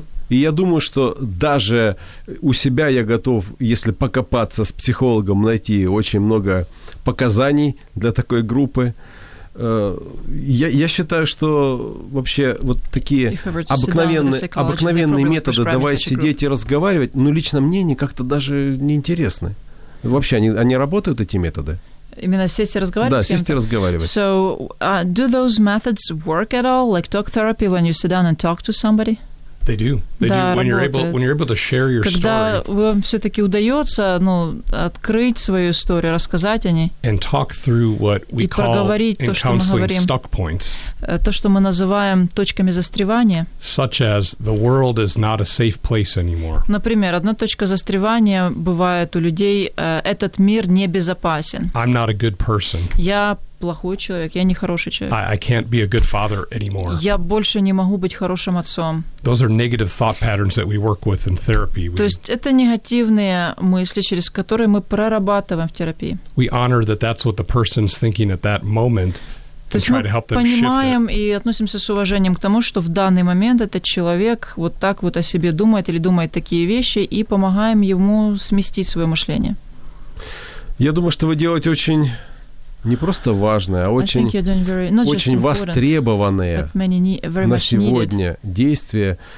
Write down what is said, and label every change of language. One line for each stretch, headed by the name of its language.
Russian: И я думаю, что даже у себя я готов, если покопаться с психологом, найти очень много показаний для такой группы. Я считаю, что вообще вот такие обыкновенные методы «давай сидеть и разговаривать», ну, лично мне они как-то даже неинтересны. Вообще, они работают, эти методы? Именно сесть и разговаривать? Да, сесть и разговаривать.
English: So, do those methods work at all, like talk therapy, when you sit down and talk to somebody? They do. They
Russian: да,
English: do. When you're able, to share your
Russian: когда
English: story.
Russian: Когда вам все-таки удается, ну, открыть свою историю, рассказать о ней.
English: And talk through what we call in counseling stuck points.
Russian: То, что мы называем точками застревания.
English: Such as the world is not a safe place anymore.
Russian: Например, одна точка застревания бывает у людей: этот мир не безопасен.
English: I'm not a good person.
Russian: Я плохой человек, я не хороший человек.
English: I can't be a good father anymore.
Russian: Я больше не могу быть хорошим отцом.
English: Those are negative thought patterns that we work with in therapy.
Russian: То есть это негативные мысли, через которые мы прорабатываем в терапии.
English: We honor that that's what the person's thinking at that moment.
Russian: То есть мы понимаем и относимся с уважением к тому, что в данный момент этот человек вот так вот о себе думает или думает такие вещи, и помогаем ему сместить свое мышление. Я думаю, что вы делаете очень... Не просто важное, а очень, очень востребованное на сегодня действие.